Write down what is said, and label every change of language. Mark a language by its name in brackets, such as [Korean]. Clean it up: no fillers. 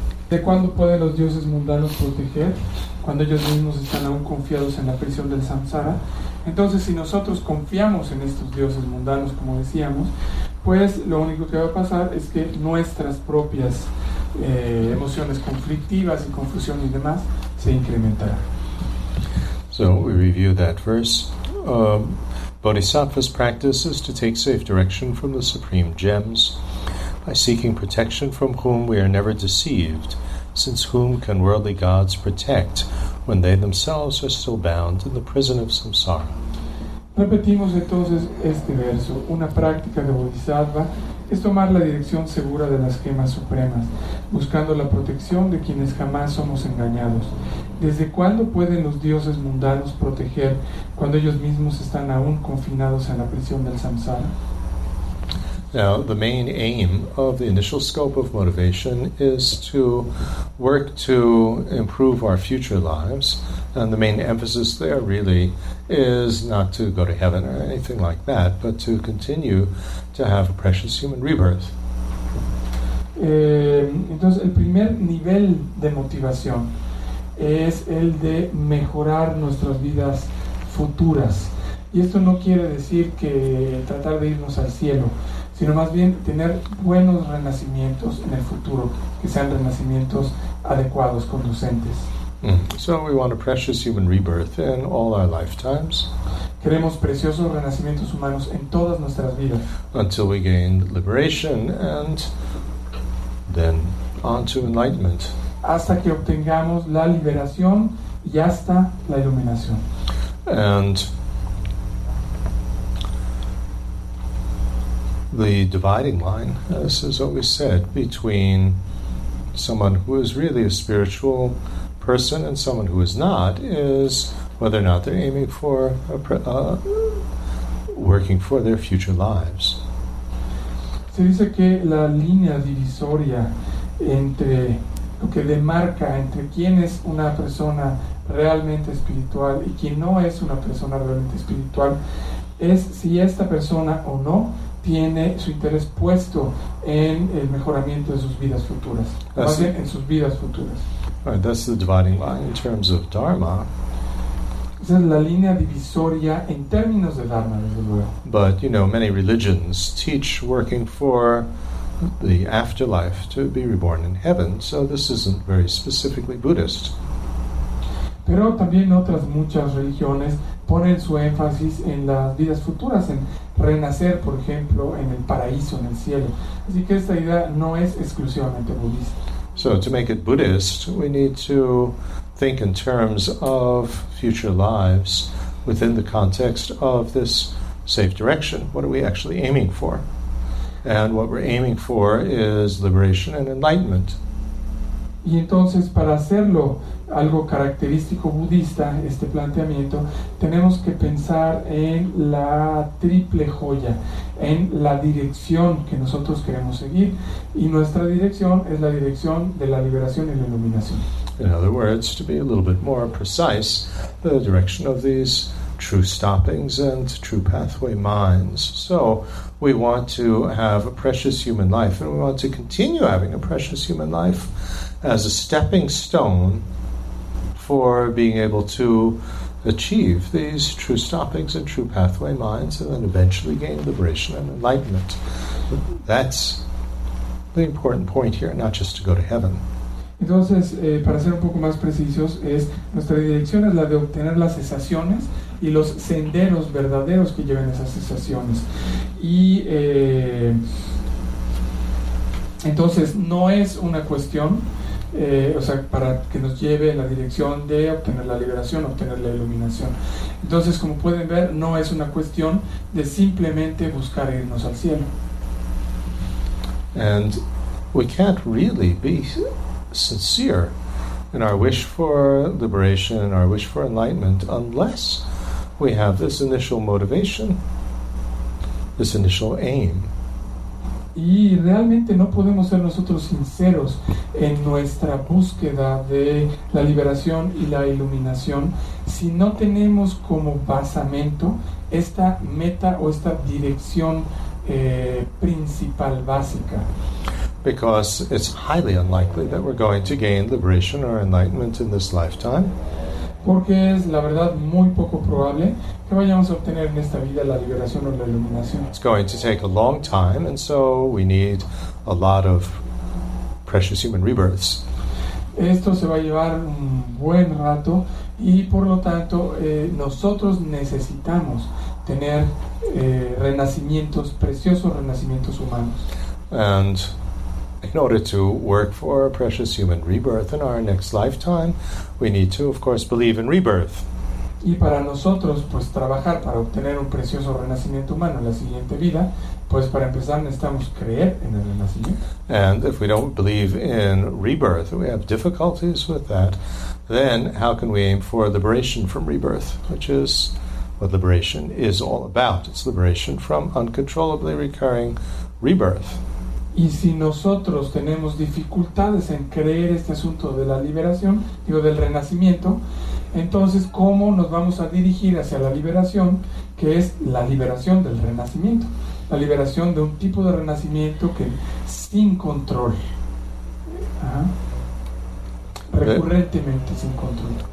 [Spanish] ¿De cuándo pueden los dioses mundanos proteger? Cuando ellos mismos están aún confiados en la prisión del samsara. Entonces, si nosotros confiamos en estos dioses mundanos, como decíamos, pues lo único que va a pasar es que nuestras propias emociones conflictivas y confusión y demás se incrementarán. [English] So, we review that verse. Bodhisattva's practice is to take safe direction from the supreme gems by seeking protection from whom we are never deceived, since whom can worldly gods protect when they themselves are still bound in the prison of samsara. [Spanish] Repetimos entonces este verso. Una práctica de Bodhisattva es tomar la dirección segura de las gemas supremas, buscando la protección de quienes jamás somos engañados. ¿Desde cuándo pueden los dioses mundanos proteger cuando ellos mismos están aún confinados en la prisión del samsara? [English] Now, the main aim of the initial scope of motivation is to work to improve our future lives, and the main emphasis there really is not to go to heaven or anything like that, but to continue to have a precious human rebirth. [Spanish] Entonces, el primer nivel de motivación es el de mejorar nuestras vidas futuras. Y esto no quiere decir que tratar de irnos al cielo, sino más bien tener buenos renacimientos en el futuro, que sean renacimientos adecuados, conducentes. [English] So we want a precious human rebirth in all our lifetimes. [Spanish] Queremos preciosos renacimientos humanos en todas nuestras vidas. [English] Until we gain liberation and then on to enlightenment. [Spanish] Hasta que obtengamos la liberación y hasta la iluminación. [English] And the dividing line, as is always said, between someone who is really a spiritual person and someone who is not, is whether or not they're aiming for working for their future lives. [Spanish] Se dice que la línea divisoria entre lo que demarca entre quién es una persona realmente espiritual y quién no es una persona realmente espiritual es si esta persona o no tiene su interés puesto en el mejoramiento de sus vidas futuras, más bien en sus vidas futuras. [English] Right, that's the dividing line in terms of dharma. [Spanish] Esa es la línea divisoria en términos de dharma, desde luego. [English] But you know, many religions teach working for the afterlife to be reborn in heaven, so this isn't very specifically Buddhist. [Spanish] Pero también otras muchas religiones ponen su énfasis en las vidas futuras, en renacer, por ejemplo, en el paraíso, en el cielo. Así que esta idea no es exclusivamente budista. [English] So to make it Buddhist, we need to think in terms of future lives within the context of this safe direction. What are we actually aiming for? And what we're aiming for is liberation and enlightenment. [Spanish] Y entonces, para hacerlo algo característico budista, este planteamiento, tenemos que pensar en la triple joya, en la dirección que nosotros queremos seguir. Y nuestra dirección es la dirección de la liberación y la iluminación. [English] In other words, to be a little bit more precise, the direction of these true stoppings and true pathway minds. So we want to have a precious human life, and we want to continue having a precious human life as a stepping stone for being able to achieve these true stoppings and true pathway minds, and then eventually gain liberation and enlightenment. That's the important point here, not just to go to heaven. [Spanish] Entonces, para ser un poco más precisos, es nuestra dirección es la de obtener las cesaciones y los senderos verdaderos que lleven esas cesaciones. Y entonces, no es una cuestión, o sea, para que nos lleve en la dirección de obtener la liberación, obtener la iluminación. Entonces, como pueden ver, no es una cuestión de simplemente buscar irnos al cielo. [English] And we can't really be sincere in our wish for liberation, our wish for enlightenment, unless we have this initial motivation, this initial aim. [Spanish] Y realmente no podemos ser nosotros sinceros en nuestra búsqueda de la liberación y la iluminación si no tenemos como basamento esta meta o esta dirección principal, básica. [English] because it's highly unlikely that we're going to gain liberation or enlightenment in this lifetime. [Spanish] Porque es, la verdad, muy poco probable que vayamos a obtener en esta vida la liberación o la iluminación. [English] It's going to take a long time, and so we need a lot of precious human rebirths. [Spanish] Esto se va a llevar un buen rato, y por lo tanto, nosotros necesitamos tener renacimientos, preciosos renacimientos humanos. [English] And in order to work for a precious human rebirth in our next lifetime, we need to, of course, believe in rebirth. [Spanish] Y para nosotros, pues, trabajar para obtener un precioso renacimiento humano en la siguiente vida, pues, para empezar, necesitamos creer en el renacimiento. [English] And if we don't believe in rebirth, we have difficulties with that, then how can we aim for liberation from rebirth, which is what liberation is all about. It's liberation from uncontrollably recurring rebirth. [Spanish] Y si nosotros tenemos dificultades en creer este asunto de la liberación, digo, del renacimiento, entonces, ¿cómo nos vamos a dirigir hacia la liberación, que es la liberación del renacimiento? La liberación de un tipo de renacimiento que sin control, recurrentemente sin control.